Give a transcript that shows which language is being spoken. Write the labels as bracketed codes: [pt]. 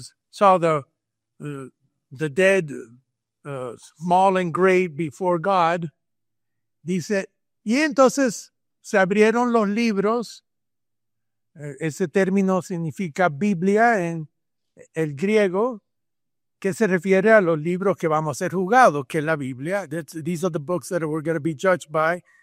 [en] Saw the dead, small and great before God. [es] Dice, y entonces se abrieron los libros, ese término significa Biblia en el griego, que se refiere a los libros que vamos a ser juzgados, que es la Biblia. [en] These are the books that we're going to be judged by.